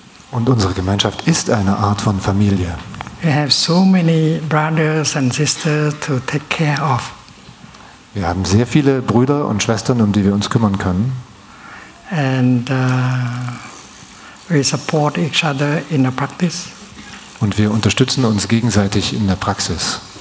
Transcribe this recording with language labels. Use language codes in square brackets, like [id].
[de] Und unsere Gemeinschaft ist eine Art von Familie. [en] We have so many brothers and sisters to take care of. [de] Wir haben sehr viele Brüder und Schwestern, um die wir uns kümmern können. [en] And we support each other in the practice. [de] Und wir unterstützen uns gegenseitig in der Praxis.